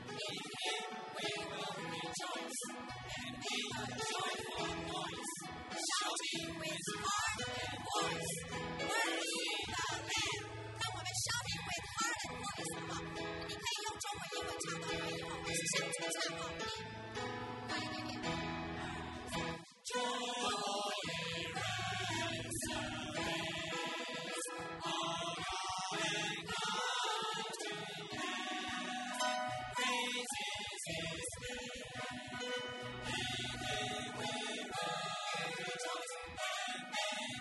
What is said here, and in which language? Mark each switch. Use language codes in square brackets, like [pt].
[en] In him we will rejoice and be a joyful noise. Shouting with heart and voice. Worthy the Lamb. Shouting with heart and voice, [zh] 好不好？你可以用中文、英文唱都可以，或者是相声唱，好不好？快一点点。 [en] Joy rings the bells, all and all to me. Praise His name, and we will rejoice.